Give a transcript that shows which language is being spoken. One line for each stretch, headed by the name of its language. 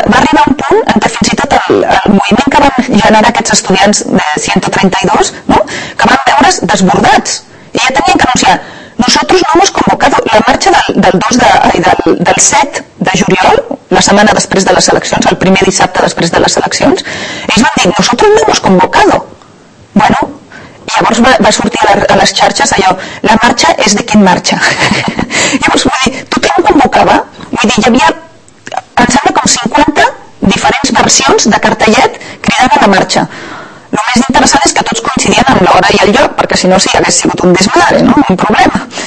Catalan: va arribar un punt en què fins i tot el moviment que van generar aquests estudiants de 132, no? Que van veure's desbordats i ja tenien que anunciar:
Spanish: nosotros no hemos convocado
Catalan: la marxa del 7 de juliol, la setmana després de les eleccions, el primer dissabte després de les eleccions. Ells van dir,
Spanish: nosotros no hemos convocado.
Catalan: Bueno, i llavors va sortir a les xarxes allò, la marxa és de quin marxa? Llavors, vull dir, tothom convocava, vull dir, hi havia, em sembla, com 50 diferents versions de cartellet cridant a la marxa. El més interessant és que tots coincidien amb l'hora i el lloc, perquè si no, sí, hagués sigut un desmadre, no? Un problema.